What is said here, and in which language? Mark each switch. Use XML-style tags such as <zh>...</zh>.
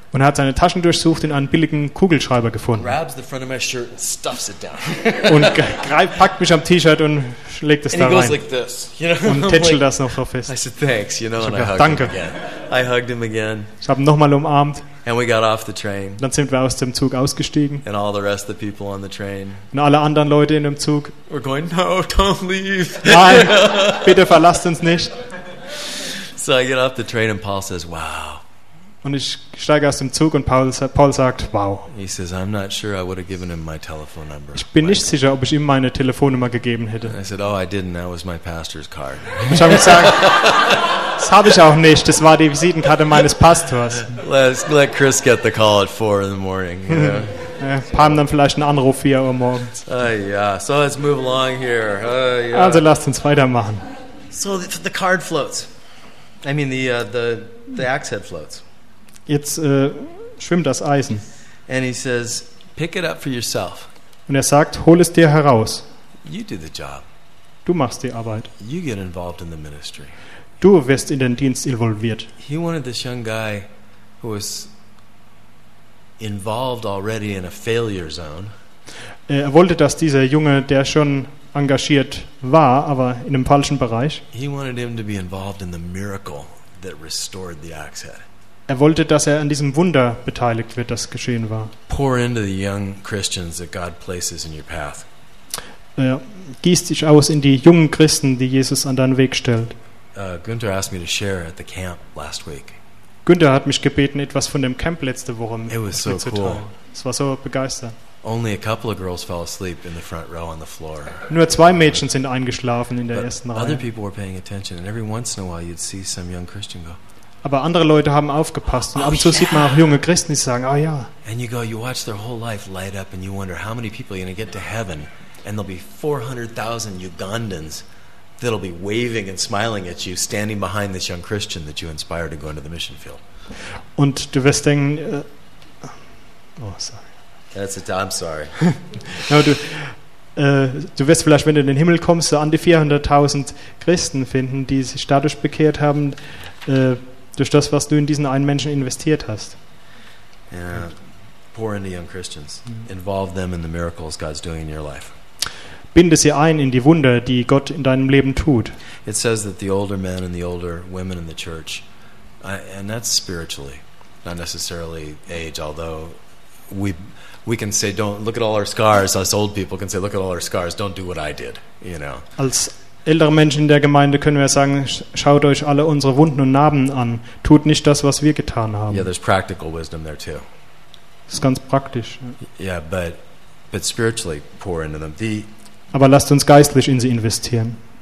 <de>Und er hat seine Taschen durchsucht und einen billigen Kugelschreiber gefunden.</de> <en>Grabs the front of my shirt and stuffs it down.</en> <de>Und packt mich am T-Shirt und legt es</de> <en>and</en> <de>da</de> <en>he goes</en> <de>rein.</de> <en>Like this, you know?</en> <de>Und tätschelt das noch so fest.</de> <en>I said thanks, you know, and I hugged him again.</en> <de>Ich habe ihn nochmal umarmt.</de> <en>And we got off the train.</en> <de>Dann sind wir aus dem Zug ausgestiegen.</de> <en>And all the rest of the people on the train.</en> <de>Und alle anderen Leute in dem Zug.</de> <en>We're going, no, don't leave.</en> <de>Nein, bitte verlasst uns nicht.</de> <en>So I get off the train and Paul says, wow.</en> <de>Und ich steige aus dem Zug und Paul sagt, wow.</de> <en>He says, I'm not sure I would have given him my telephone number.</en> <de>Ich bin nicht sicher, ob ich ihm meine Telefonnummer gegeben hätte.</de> <en>I said, oh, I didn't. That was my pastor's card.</en> <de>Ich habe gesagt, das habe ich auch nicht. Das war die Visitenkarte meines Pastors.</de> <en>Let Chris get the call at 4 in the morning.</en> <de>Paar haben dann vielleicht einen Anruf 4 Uhr morgens.</de> <en>Yeah. So let's move along here.</en> <de>Also lasst uns weitermachen.</de> <en>So the card floats. I mean the axe head floats.</en> <de>Jetzt schwimmt das Eisen.</de> <en>And he says, pick it up for yourself.</en> <de>Und er sagt, hol es dir heraus.</de> <en>You do the job.</en> <de>Du machst die Arbeit.</de> <en>You get involved in the ministry.</en> <de>Du wirst in den Dienst involviert.</de> <en>He wanted this young guy who was involved already in a failure zone.</en> <de>Er wollte, dass dieser Junge, der schon engagiert war, aber in einem falschen Bereich.</de> <en>He wanted him to be involved in the miracle that restored the axe head.</en> <de>Er wollte, dass er an diesem Wunder beteiligt wird, das geschehen war.</de> <en>Pour into the young Christians that God places in your path.</en> <de>Gieß dich aus in die jungen Christen, die Jesus an deinen Weg stellt.</de> <en>Günther asked me to share at the camp last week.</en> <de>Günther hat mich gebeten, etwas von dem Camp letzte Woche mitzuteilen. Cool. Es war so begeistert.</de> <en>Only a couple of girls fell asleep in the front row on the floor.</en> <de>Nur zwei Mädchen sind eingeschlafen in der ersten Reihe.</de> <en>Other people were paying attention, and every once in a while you'd see some young Christian go.</en> <de>Aber andere Leute haben aufgepasst und ab und zu sieht man auch junge Christen, die sagen, ah ja.</de> <en>And you go, you watch their whole life light up, and you wonder how many people are going to get to heaven, and there'll be 400,000 Ugandans. That'll be waving and smiling at you, standing behind this young Christian that you inspired to go into the mission field.</en> <de>Und du wirst denken, sorry.</de> <en>That's it. I'm sorry.</en> <de>Du wirst vielleicht, wenn du in den Himmel kommst, so an die 400,000 Christen finden, die sich dadurch bekehrt haben, durch das, was du in diesen einen Menschen investiert hast.</de> <en>Yeah. Pour into young Christians. Mm-hmm. Involve them in the miracles God's doing in your life.</en> <de>Binde sie ein in die Wunder, die Gott in deinem Leben tut.</de> <en>It says that the older men and the older women in the church, and that's spiritually, not necessarily age, although we can say, don't look at all our scars. Us old people can say, look at all our scars. Don't do what I did. You know.</en> <de>Als ältere Menschen in der Gemeinde können wir sagen, schaut euch alle unsere Wunden und Narben an. Tut nicht das, was wir getan haben.</de> <en>Yeah, there's practical wisdom there too.</en> <de>Das ist ganz praktisch.</de> <en>Yeah, but spiritually pour into them.</en> <de>Aber lasst uns geistlich in sie investieren.</de>